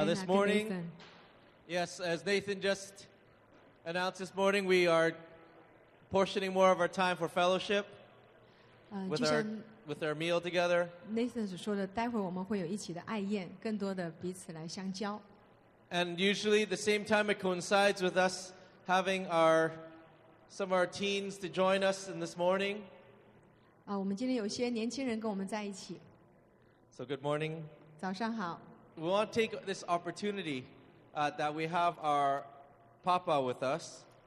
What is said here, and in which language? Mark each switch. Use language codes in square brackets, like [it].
[en] This morning, yes, as Nathan just announced this morning, we are portioning more of our time for fellowship with our meal together. [zh] Nathan所说的，待会我们会有一起的爱宴，更多的彼此来相交。And [en] usually the same time it coincides with us having some of our teens to join us in this morning. [zh] 我们今天有些年轻人跟我们在一起。So [en] good morning. [zh] 早上好。 [en] We want to take this opportunity that we have our Papa with us.